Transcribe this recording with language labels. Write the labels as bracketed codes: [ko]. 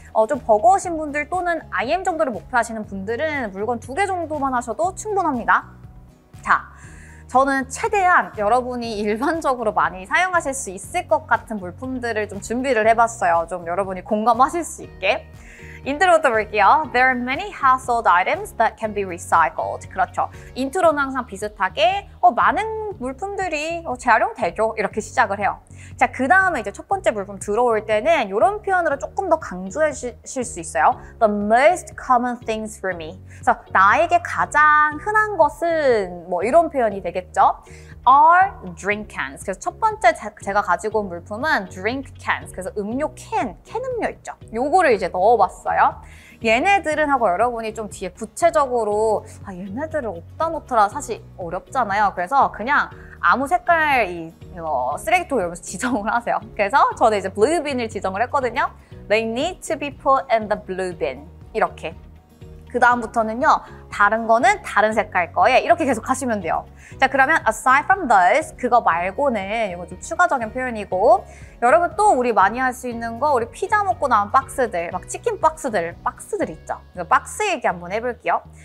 [ko] 좀 버거우신 분들 또는 IM 정도를 목표하시는 분들은 물건 두 개 정도만 하셔도 충분합니다. 자, 저는 최대한 여러분이 일반적으로 많이 사용하실 수 있을 것 같은 물품들을 좀 준비를 해봤어요. 좀 여러분이 공감하실 수 있게. 인트로부터 볼게요. [en] There are many household items that can be recycled. [ko] 그렇죠. 인트로는 항상 비슷하게 많은 물품들이 재활용되죠. 이렇게 시작을 해요. 자, 그 다음에 이제 첫 번째 물품 들어올 때는 이런 표현으로 조금 더 강조해 주실 수 있어요. [en] The most common things for me. [ko] 그래서 나에게 가장 흔한 것은 뭐 이런 표현이 되겠죠. [en] are drink cans. [ko] 그래서 첫 번째 제가 가지고 온 물품은 [en] drink cans. [ko] 그래서 음료 캔, 캔 음료 있죠. 요거를 이제 넣어봤어요. 얘네들은 하고 여러분이 좀 뒤에 구체적으로 아 얘네들을 어디다 놓더라 사실 어렵잖아요. 그래서 그냥 아무 색깔 이 쓰레기통 여러분 지정을 하세요. 그래서 저는 이제 blue bin을 지정을 했거든요. [en] They need to be put in the blue bin. [ko] 이렇게. 그 다음부터는요, 다른 거는 다른 색깔 거에 이렇게 계속 하시면 돼요. 자, 그러면 [en] aside from those, [ko] 그거 말고는 이거 좀 추가적인 표현이고 여러분 또 우리 많이 할 수 있는 거 우리 피자 먹고 나온 박스들, 막 치킨 박스들 있죠? 이거 박스 얘기 한번 해볼게요.